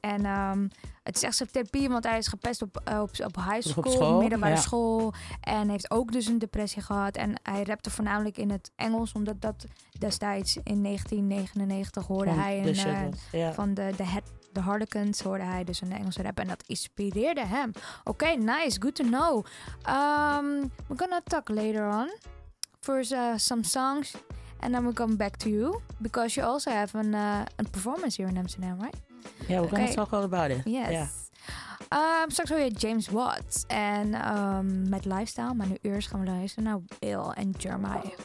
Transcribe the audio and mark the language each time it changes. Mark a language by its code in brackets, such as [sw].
[nl] En het is echt zijn therapie, want hij is gepest op high school, middelbare school. En heeft ook dus een depressie gehad. En hij rapte voornamelijk in het Engels, omdat dat destijds in 1999 hoorde van hij de van de Harlequins hoorde hij dus een Engelse rap en dat inspireerde hem. [en] Oké, nice, good to know. We're gonna talk later on for some songs and then we come back to you because you also have a performance here in Amsterdam, right? Yeah, we're gonna talk all about it. Yes. Yeah. [nl] Straks hoor je James Watts en met Lifestyle, maar nu eerst gaan we luisteren naar Will en Jeremiah.